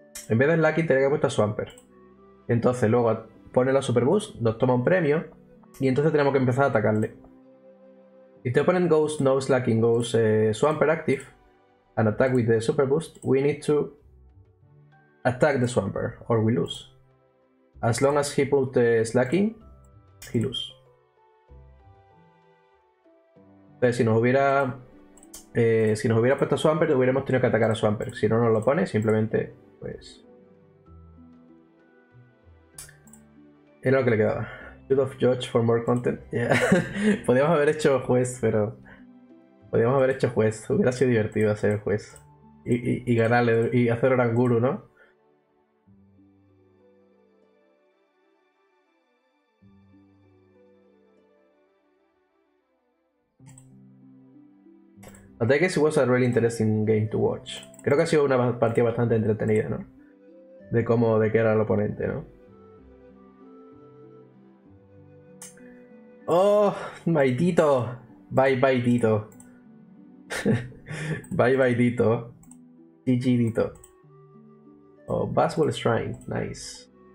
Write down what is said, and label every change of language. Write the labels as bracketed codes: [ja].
[es] En vez de Lucky tenía que haber puesto a Swampert. Entonces luego pone la Super Boost, nos toma un premio y entonces tenemos que empezar a atacarle. [en] If the opponent goes no slacking, goes Swampert active and attack with the Super Boost, we need to attack the Swampert or we lose. As long as he put slacking, he lose. [es] Entonces si nos hubiera puesto Swampert, hubiéramos tenido que atacar a Swampert. Si no nos lo pone, simplemente pues era lo que le quedaba. [en] Should have judged for more content. Yeah. [es] Podríamos haber hecho juez, pero podríamos haber hecho juez. Hubiera sido divertido hacer juez y ganarle y hacer Oranguru, ¿no? [en] I guess it was a really interesting game to watch. [es] Creo que ha sido una partida bastante entretenida, ¿no? De cómo, de qué era el oponente, ¿no? ¡Oh! ¡Maldito! ¡Bye, bye, Dito! [en] ¡Bye, bye, Dito! ¡GG, Dito! Oh, Basketball Shrine. Nice.